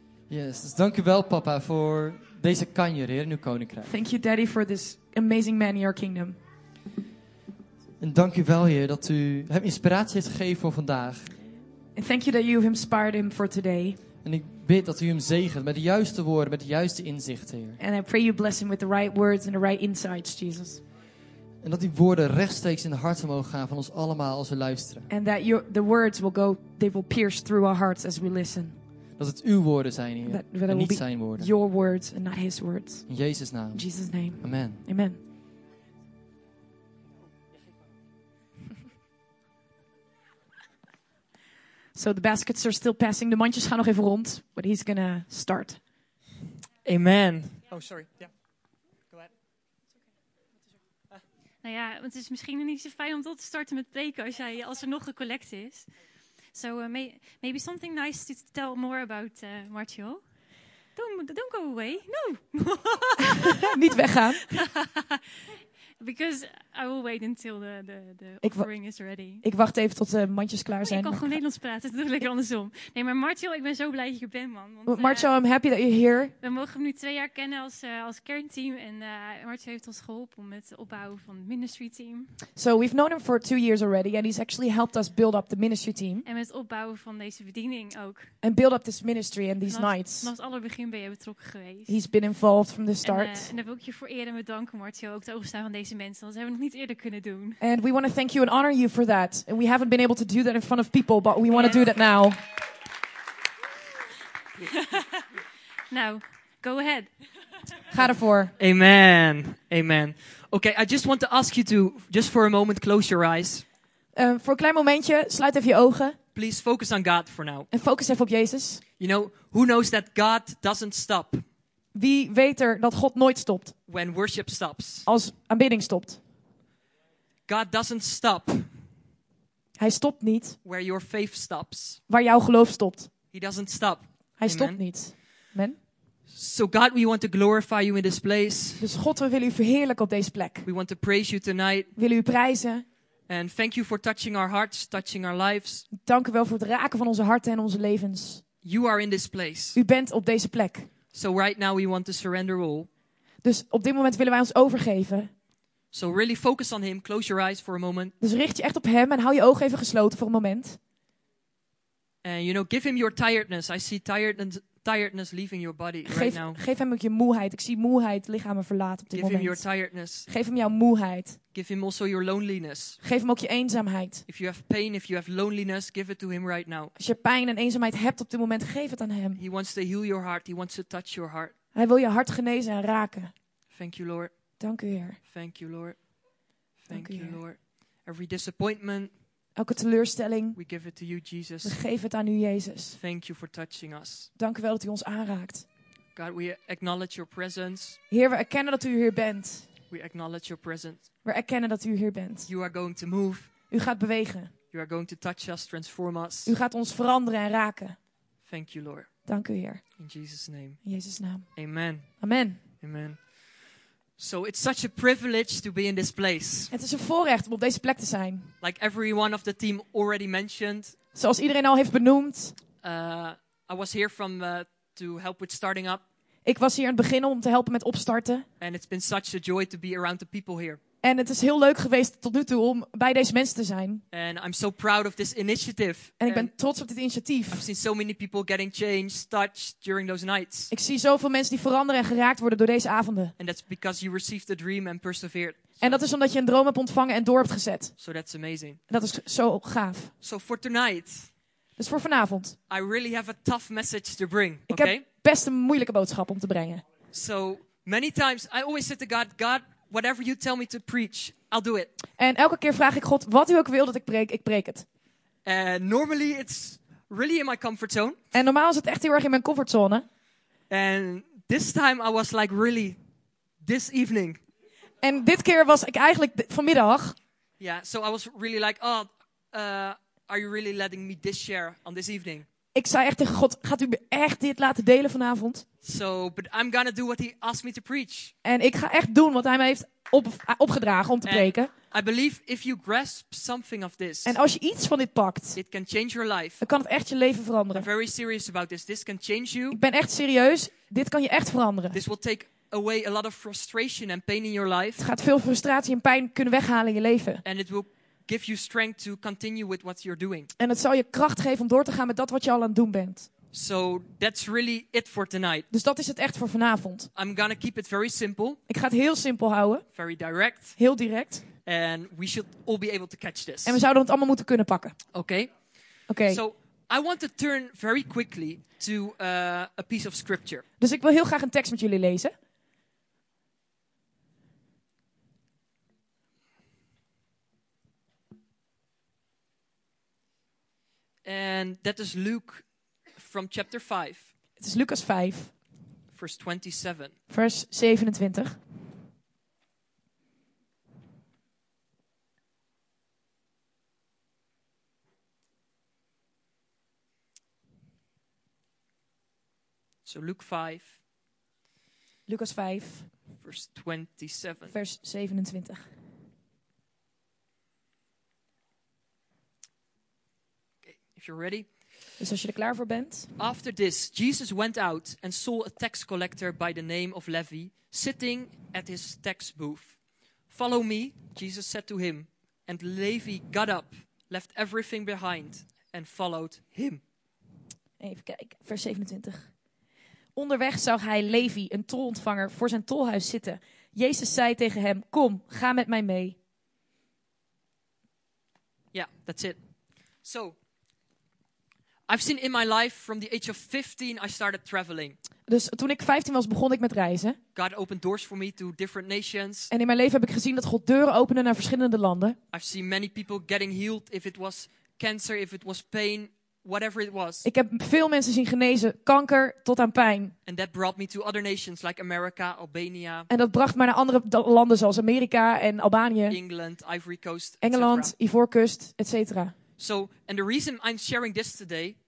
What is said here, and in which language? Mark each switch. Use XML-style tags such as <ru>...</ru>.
<nl>Yes, dank u wel papa voor deze kanjer hier in uw koninkrijk.</nl> <en>Thank you daddy for this amazing man in your kingdom.</en> <nl>En dank u wel heer dat u hem inspiratie heeft gegeven voor vandaag.</nl> <en>And thank you that you have inspired him for today.</en> <nl>En ik bid dat u hem zegent met de juiste woorden, met de juiste inzichten heer.</nl> <en>And I pray you bless him with the right words and the right insights, Jesus.</en> <nl>En dat die woorden rechtstreeks in de harten mogen gaan van ons allemaal als we luisteren.</nl> <en>And that the words will go, they will pierce through our hearts as we listen.</en> <nl>Dat het uw woorden zijn hier, en niet zijn woorden.</nl> <en>Your words and not his words.</en> <nl>In Jezus naam.</nl> <en>In Jesus' name. Amen. Amen. So the baskets are still passing.</en> <nl>De mandjes gaan nog even rond,</nl> <en>but he's gonna start. Amen. Oh, sorry. Yeah.</en> <nl>Nou ja, het is misschien niet zo fijn om tot te starten met preken als er nog een collect is.</nl> <en>So maybe something nice to tell more about Martial. Don't go away. No.</en> <nl>Niet weggaan.</nl> <en>Because I will wait until the offering is ready.</en> <nl>Ik wacht even tot de mandjes klaar zijn. Ik kan gewoon Nederlands praten, dat doe ik lekker andersom. Nee, maar Martial, ik ben zo blij dat je er bent, man.</nl> <en>Want, Martial, I'm happy that you're here.</en> <nl>We mogen hem nu 2 jaar kennen als kernteam. En Martial heeft ons geholpen met het opbouwen van het ministry team.</nl> <en>So we've known him for 2 years already. And he's actually helped us build up the ministry team.</en> <nl>En met het opbouwen van deze bediening ook.</nl> <en>And build up this ministry and these nights.</en> <nl>Vanaf het allerbegin ben je betrokken geweest.</nl> <en>He's been involved from the start.</en> <nl>En daar wil ik je voor eer en bedanken, Martial, ook de overstaan van deze mensen, dat hebben we nog niet eerder kunnen doen.</nl> <en>And we want to thank you and honor you for that. And we haven't been able to do that in front of people, but we want to do that now. Now, go ahead.</en> <nl>Ga ervoor. Amen. Amen.</nl> <en>Okay, I just want to ask you to, just for a moment, close your eyes.</en> <nl>Voor een klein momentje, sluit even je ogen.</nl> <en>Please focus on God for now.</en> <nl>En focus even op Jezus.</nl> <en>You know, who knows that God doesn't stop?</en> <nl>Wie weet er dat God nooit stopt?</nl> <en>When worship stops.</en> <nl>Als aanbidding stopt.</nl> <en>God doesn't stop.</en> <nl>Hij stopt niet.</nl> <en>Where your faith stops.</en> <nl>Waar jouw geloof stopt.</nl> <en>He doesn't stop.</en> <nl>Hij Amen. Stopt niet. Amen.</nl> <en>So God, we want to glorify you in this place.</en> <nl>Dus God, we willen u verheerlijken op deze plek.</nl> <en>We want to praise you tonight.</en> <nl>We willen u prijzen.</nl> <en>And thank you for touching our hearts, touching our lives.</en> <nl>Dank u wel voor het raken van onze harten en onze levens.</nl> <en>You are in this place.</en> <nl>U bent op deze plek.</nl> <en>So right now we want to surrender all.</en> <nl>Dus op dit moment willen wij ons overgeven.</nl> <en>So really focus on him. Close your eyes for a moment.</en> <nl>Dus richt je echt op hem en hou je ogen even gesloten voor een moment.</nl> <en>And you know, give him your tiredness. I see tiredness leaving your body right now.</en> <nl>Geef hem ook je moeheid. Ik zie moeheid lichamen verlaten op dit moment.</nl> <en>Give him your tiredness.</en> <nl>Geef hem jouw moeheid.</nl> <en>Give him also your loneliness.</en> <nl>Geef hem ook je eenzaamheid.</nl> <en>If you have pain, if you have loneliness, give it to him right now.</en> <nl>Als je pijn en eenzaamheid hebt op dit moment, geef het aan hem.</nl> <en>He wants to heal your heart. He wants to touch your heart.</en> <nl>Hij wil je hart genezen en raken.</nl> <en>Thank you, Lord.</en> <nl>Dank u, Heer.</nl> <en>Thank you, Lord. Thank you, Lord. Every disappointment.</en> <nl>Elke teleurstelling.</nl> <en>We give it to you, Jesus.</en> <nl>We geven het aan u, Jezus.</nl> <en>Thank you for touching us.</en> <nl>Dank u wel dat u ons aanraakt.</nl> <en>God, we acknowledge your presence.</en> <nl>Heer, we erkennen dat u hier bent.</nl> <en>We acknowledge your presence.</en> <nl>We erkennen dat u hier bent.</nl> <en>You are going to move.</en> <nl>U gaat bewegen.</nl> <en>You are going to touch us, transform us.</en> <nl>U gaat ons veranderen en raken.</nl> <en>Thank you, Lord.</en> <nl>Dank u, Heer.</nl> <en>In Jesus' name.</en> <nl>In Jezus' naam. Amen. Amen. Amen.</nl> <en>So it's such a privilege to be in this place.</en> <nl>Het is een voorrecht om op deze plek te zijn.</nl> <en>Like every one of the team already mentioned.</en> <nl>Zoals iedereen al heeft benoemd.</nl> <en>I was here from to help with starting up.</en> <nl>Ik was hier aan het begin om te helpen met opstarten.</nl> <en>And it's been such a joy to be around the people here.</en> <nl>En het is heel leuk geweest tot nu toe om bij deze mensen te zijn.</nl> <en>And I'm so proud of this initiative.</en> <nl>En ik ben trots op dit initiatief.</nl> <en>I've seen so many people getting changed, touched during those nights.</en> <nl>Ik zie zoveel mensen die veranderen en geraakt worden door deze avonden.</nl> <en>And that's because you received the dream and persevered.</en> <nl>En dat is omdat je een droom hebt ontvangen en door hebt gezet.</nl> <en>So that's amazing.</en> <nl>Dat is zo gaaf.</nl> <en>So for tonight.</en> <nl>Dus voor vanavond.</nl> <en>I really have a tough message to bring.</en> <nl>Ik heb best een moeilijke boodschap om te brengen.</nl> <en>So many times I always said to God, God. Whatever you tell me to preach, I'll do it.</en> <nl>En elke keer vraag ik God wat u ook wil dat ik preek het.</nl> <en>Normally it's really in my comfort zone.</en> <nl>En normaal is het echt heel erg in mijn comfortzone.</nl> <en>And this time I was like really this evening.</en> <nl>En dit keer was ik eigenlijk vanmiddag.</nl> <en>Yeah, so I was really like, oh, are you really letting me this share on this evening?</en> <nl>Ik zei echt tegen God, gaat u me echt dit laten delen vanavond?</nl> <en>So, but I'm gonna do what he asked me to preach.</en> <nl>En ik ga echt doen wat hij me heeft opgedragen om te preken.</nl> <en>I believe if you grasp something of this,</en> <nl>en als je iets van dit pakt,</nl> <en>it can change your life.</en> <nl>Dan kan het echt je leven veranderen.</nl> <en>I'm very serious about this. This can change you.</en> <nl>Ik ben echt serieus. Dit kan je echt veranderen.</nl> <en>This will take away a lot of frustration and pain in your life.</en> <nl>Het gaat veel frustratie en pijn kunnen weghalen in je leven.</nl> <en>And it will give you strength to continue with what you're doing.</en> <nl>En het zal je kracht geven om door te gaan met dat wat je al aan het doen bent.</nl> <en>So that's really it for tonight.</en> <nl>Dus dat is het echt voor vanavond.</nl> <en>I'm gonna keep it very simple.</en> <nl>Ik ga het heel simpel houden.</nl> <en>Very direct.</en> <nl>Heel direct.</nl> <en>And we should all be able to catch this.</en> <nl>En we zouden het allemaal moeten kunnen pakken. Okay. Okay.</nl> <en>So I want to turn very quickly to a piece of scripture.</en> <nl>Dus ik wil heel graag een tekst met jullie lezen.</nl> <en>And that is Luke. From chapter 5.</en> <nl>Het is Lucas 5.</nl> <en>Verse 27.</en> <nl>Vers 27.</nl> <en>So Luke 5.</en> <nl>Lucas 5.</nl> <en>Verse 27.</en> <nl>Vers 27.</nl> <en>Okay, if you're ready.</en> <nl>Dus als je er klaar voor bent.</nl> <en>After this, Jesus went out and saw a tax collector by the name of Levi sitting at his tax booth. Follow me, Jesus said to him. And Levi got up, left everything behind and followed him.</en> <nl>Even kijken, vers 27. Onderweg zag hij Levi, een tolontvanger, voor zijn tolhuis zitten. Jezus zei tegen hem, kom, ga met mij mee.</nl> <en>Ja, yeah, that's it. So, I've seen in my life from the age of 15 I started traveling.</en> <nl>Dus toen ik 15 was begon ik met reizen.</nl> <en>God opened doors for me to different nations.</en> <nl>En in mijn leven heb ik gezien dat God deuren opende naar verschillende landen.</nl> <en>I've seen many people getting healed if it was cancer, if it was pain, whatever it was.</en> <nl>Ik heb veel mensen zien genezen, kanker tot aan pijn.</nl> <en>And that brought me to other nations like America, Albania.</en> <nl>En dat bracht mij naar andere landen zoals Amerika en Albanië.</nl> <en>England, Ivory Coast,</en> <nl>Engeland, Ivoorkust, etc.</nl> <en>So, and the reason I'm sharing this today,</en>